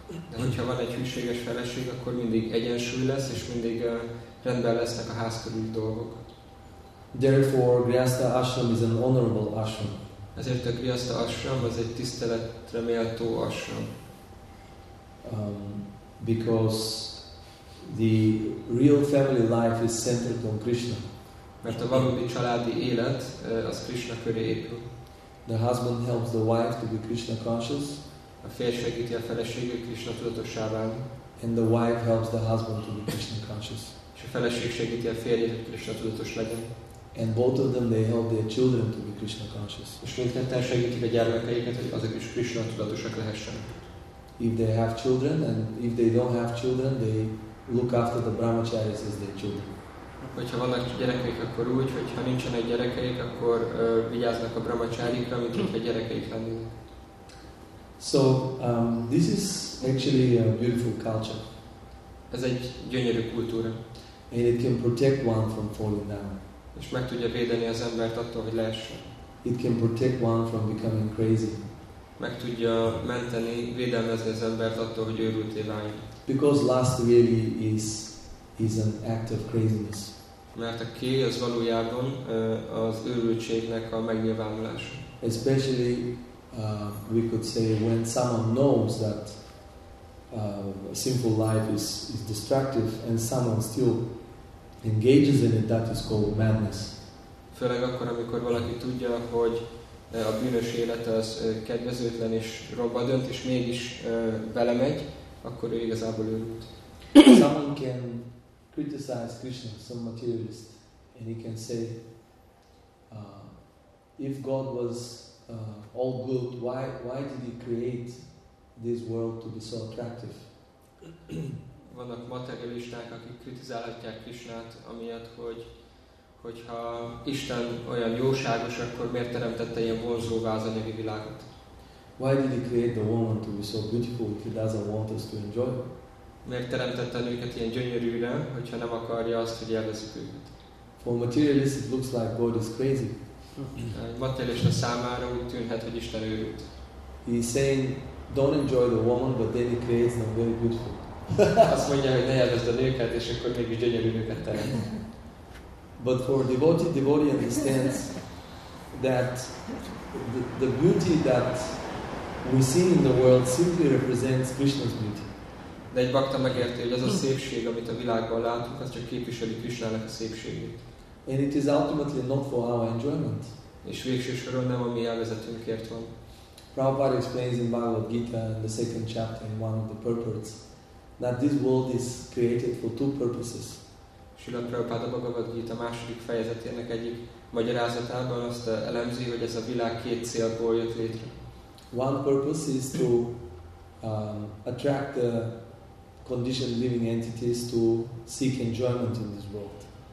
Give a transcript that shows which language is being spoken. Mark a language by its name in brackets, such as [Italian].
[Hungarian] De hogyha van egy hűséges feleség, akkor mindig egyensúly lesz, és mindig rendben lesznek a ház körüli dolgok. [English] Therefore, Grihastha Ashram is an honorable ashram. [Hungarian] Ezért a Grihastha Ashram az egy tiszteletre méltó ashram. [English] Because the real family life is centered on Krishna. [Hungarian] Mert a valódi családi élet az Krishna köré épül. [English] The husband helps the wife to be Krishna conscious. [Hungarian] A férj segíti a feleségét Krishna tudatossá válni. [English] And the wife helps the husband to be Krishna conscious. [Hungarian] És a feleség segíti a férjét, hogy Krishna tudatos legyen. [English] And both of them, they help their children to be Krishna conscious. [Hungarian] És mindketten segítik a gyermekeiket, hogy azok is Krishna tudatosak lehessenek. [English] If they have children, and if they don't have children, they look after the brahmacharis as their children. [Hungarian] Hogyha vannak gyerekeik, akkor úgy, hogyha nincsenek gyerekeik, akkor vigyáznak a brahmacharikra, mint hogyha gyerekeik lennének. [English] So, this is actually a beautiful culture. [Hungarian] Ez egy gyönyörű kultúra. [English] And it can protect one from falling down. [Hungarian] És meg tudja védeni az embert attól, hogy leessen. [English] It can protect one from becoming crazy. [Hungarian] Meg tudja menteni, védelmezni az embert attól, hogy őrülté váljon. [English] Because lust really is an act of craziness. [Hungarian] Mert a kéj az valójában az őrültségnek a megnyilvánulása. [English] Especially we could say when someone knows that a simple life is destructive and someone still engages in it, that is called madness. [Hungarian] Főleg akkor, amikor valaki tudja, hogy a bűnös élet az kedvezőtlen és robba dönt, és mégis belemegy, akkor ő igazából őrült. [English] Someone can criticize Krishna, some materialist, and he can say, if God was all good, why did he create this world to be so attractive? [Hungarian] Vannak materialisták, akik kritizálhatják Krishnát amiatt, hogyha Isten olyan jóságos, akkor miért teremtette ilyen vonzóvá az anyagi világot? [English] Why did he create the woman to be so beautiful if he doesn't want us to enjoy? [Hungarian] Miért teremtette a nőket ilyen gyönyörűre, hogyha nem akarja azt, hogy élvezzük őket? [English] For a materialist it looks like God is crazy. [Hungarian] Materialista számára úgy tűnhet, hogy Isten őrült. [English] He is saying, don't enjoy the woman, but then he creates them very beautiful. [Hungarian] Azt mondja, hogy ne élvezd a nőket, és akkor mégis gyönyörű nőket teremt. [English] But for a devotee, understands that the beauty that we see in the world simply represents Krishna's beauty. [Hungarian] De egy bhakta megérti, hogy az a szépség, amit a világban látunk, az csak képviseli Krishnának a szépségét. [English] And it is ultimately not for our enjoyment. [Hungarian] És végső soron nem a mi elvezetünkért van. [English] Prabhupada explains in Bhagavad Gita, in the second chapter, in one of the purports, that this world is created for two purposes. [Hungarian] Srila Prabhupada Bhagavad Gita második fejezetének egyik magyarázatában azt elemzi, hogy ez a világ két célból jött létre. [English] One purpose is to attract the conditioned living entities to seek enjoyment in this world.